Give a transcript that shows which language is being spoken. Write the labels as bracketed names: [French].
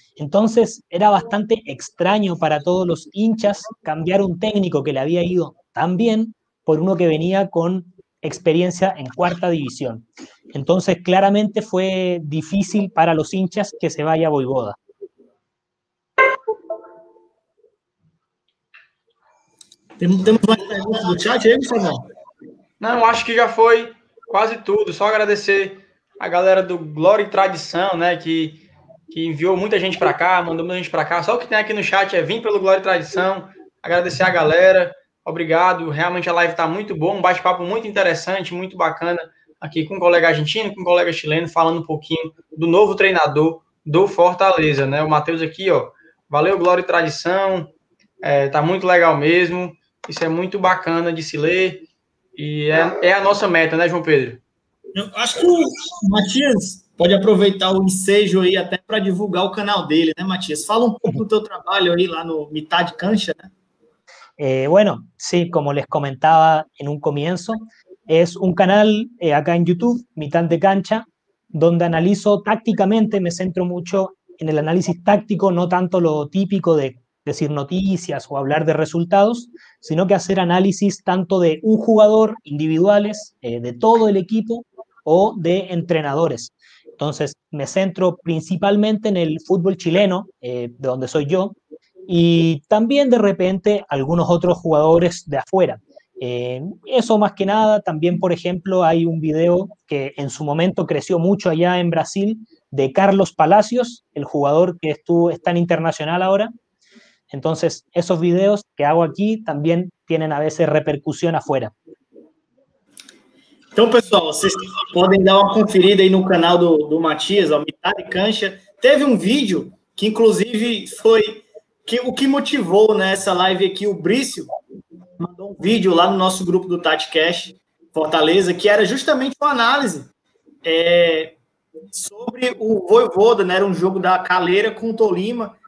[Spanish] Entonces era bastante extraño para todos los hinchas cambiar un técnico que le había ido tan bien por uno que venía con experiencia en cuarta división. Entonces claramente fue difícil para los hinchas que se vaya Vojvoda. ¿Tenemos más preguntas en el chat, Gustavo? No, [Portuguese] acho que [Spanish] ya fue casi todo. [Portuguese] Solo agradecer a galera do Glória e Tradição, né, que enviou muita gente para cá, mandou muita gente para cá. Só o que tem aqui no chat é vir pelo Glória e Tradição, agradecer a galera, obrigado. Realmente a live está muito boa, um bate-papo muito interessante, muito bacana, aqui com um colega argentino, com um colega chileno, falando um pouquinho do novo treinador do Fortaleza, né? O Matheus aqui, ó, valeu Glória e Tradição, está muito legal mesmo, isso é muito bacana de se ler, e é a nossa meta, né, João Pedro? Eu acho que o Matias pode aproveitar o ensejo aí até para divulgar o canal dele, né, Matias? Fala um pouco do teu trabalho aí lá no Mitad Cancha, né? [Spanish] Bueno, sí, como les comentaba en un comienzo, es un canal acá en YouTube, Mitad de Cancha, donde analizo tácticamente, me centro mucho en el análisis táctico, no tanto lo típico de decir noticias o hablar de resultados, sino que hacer análisis tanto de un jugador, individuales, de todo el equipo, o de entrenadores. Entonces, me centro principalmente en el fútbol chileno, de donde soy yo, y también de repente algunos otros jugadores de afuera. Eso más que nada, también, por ejemplo, hay un video que en su momento creció mucho allá en Brasil, de Carlos Palacios, el jugador que está en Internacional ahora. Entonces, esos videos que hago aquí también tienen a veces repercusión afuera. [Portuguese] Então, pessoal, vocês podem dar uma conferida aí no canal do Matias, ó, Mitad Cancha. Teve um vídeo que, inclusive, foi o que motivou, né, essa live aqui. O Brício mandou um vídeo lá no nosso grupo do TatiCast Fortaleza, que era justamente uma análise sobre o Vojvoda, né, era um jogo da Calera com o Tolima.